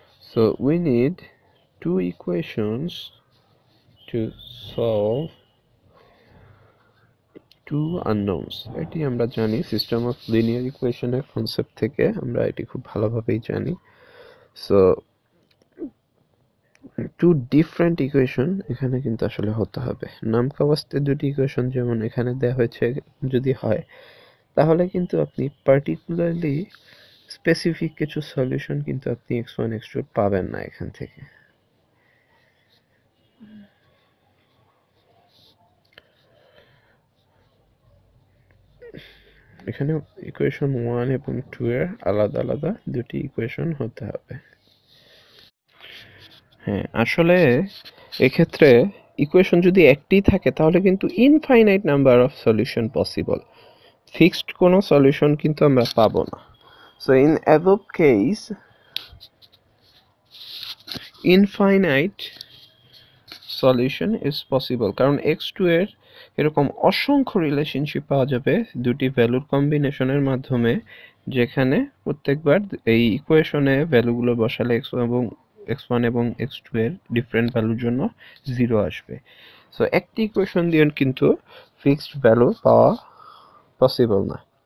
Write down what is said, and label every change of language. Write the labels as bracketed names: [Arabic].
[English] So we need two equations to solve two unknowns. [Bangla] এটি আমরা জানি সিস্টেম অফ লিনিয়ার ইকুয়েশনের কনসেপ্ট থেকে, আমরা এটি খুব ভালোভাবেই জানি। [English] so two different equation [Bangla] এখানে কিন্তু আসলে হতে হবে। নামকাওয়াস্তে দুটি ইকুয়েশন যেমন এখানে দেওয়া হয়েছে, যদি হয় তাহলে কিন্তু আপনি পার্টিকুলারলি স্পেসিফিক কিছু সলিউশন কিন্তু আপনি এক্স ওয়ান এক্স টু পাবেন না এখান থেকে। এখানে ইকুয়েশন 1 এবং 2 এর আলাদা আলাদা দুটি ইকুয়েশন হতে হবে। হ্যাঁ, আসলে এক্ষেত্রে ইকুয়েশন যদি একটি থাকে তাহলে কিন্তু [English] infinite number of solution possible, [Bangla] fixed কোনো সলিউশন কিন্তু আমরা পাবো না। [English] So in above case, infinite solution is possible. [Bangla] কারণ x2 এর এরকম অসংখ্য রিলেশনশিপ পাওয়া যাবে দুটি ভ্যালুর কম্বিনেশনের মাধ্যমে, যেখানে প্রত্যেকবার এই ইকুয়েশনে ভ্যালুগুলো বসালে x1 এবং x2 এর ডিফারেন্ট ভ্যালুর জন্য জিরো আসবে। সো একটি ইকুয়েশন দিয়ে কিন্তু ফিক্সড ভ্যালু পাওয়া পসিবল না।